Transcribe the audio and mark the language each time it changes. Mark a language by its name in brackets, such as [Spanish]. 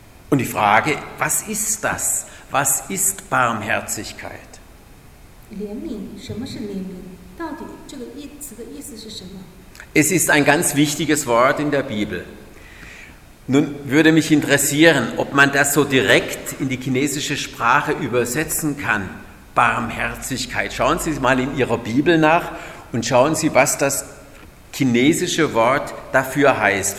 [German] Und die Frage, was ist das? Was ist Barmherzigkeit? [Chinese] 怜悯，什么是怜悯？到底这个词的意思是什么？ [German] Es ist ein ganz wichtiges Wort in der Bibel. Nun würde mich interessieren, ob man das so direkt in die chinesische Sprache übersetzen kann. Barmherzigkeit. Schauen Sie mal in Ihrer Bibel nach und schauen Sie, was das chinesische Wort dafür heißt.